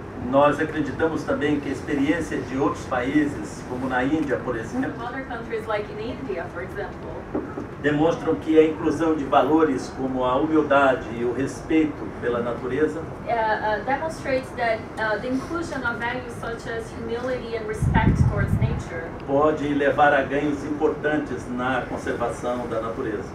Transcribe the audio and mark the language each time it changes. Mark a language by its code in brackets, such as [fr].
[pt] nós acreditamos também que experiências de outros países, como na Índia, por exemplo, [en] other countries like in India, for example, [pt] demonstram que a inclusão de valores como a humildade e o respeito pela natureza [en] demonstrates that the inclusion of values such as humility and respect towards nature [pt] pode levar a ganhos importantes na conservação da natureza.